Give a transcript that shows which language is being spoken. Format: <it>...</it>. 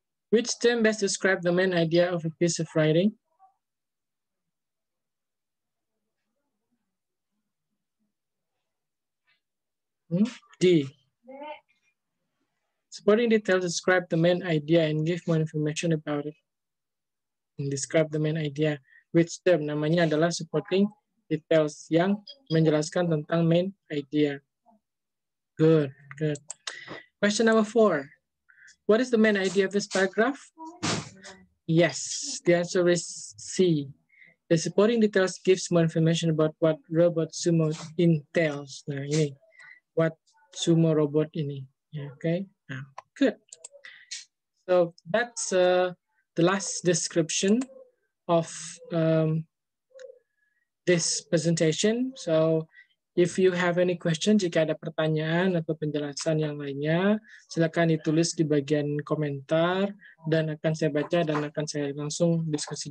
<en>Which term best describes the main idea of a piece of writing? D. Supporting details describe the main idea and give more information about it. And describe the main idea. Which term?</en> <id>Namanya adalah supporting details yang menjelaskan tentang main idea.</id> <en>Good, good. Question number four. What is the main idea of this paragraph? Yes, the answer is C. The supporting details gives more information about what robot sumo entails. Nah, ini. What sumo robot ini. Yeah, okay. Good. So that's the last description of this presentation. So if you have any question,</en> <id>jika ada pertanyaan atau penjelasan yang lainnya, silakan ditulis di bagian komentar dan akan saya baca dan akan saya langsung diskusi.</id>